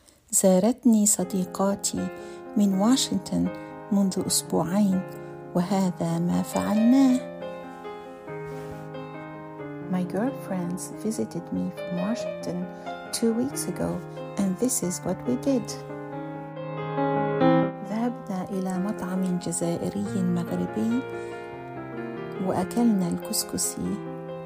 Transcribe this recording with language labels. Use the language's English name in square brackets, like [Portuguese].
[Arabic] زارتني صديقاتي من واشنطن منذ أسبوعين وهذا ما فعلناه. [English] My girlfriends visited me from Washington 2 weeks ago and this is what we did. [Arabic] ذهبنا إلى مطعم جزائري مغربي وأكلنا الكسكسي.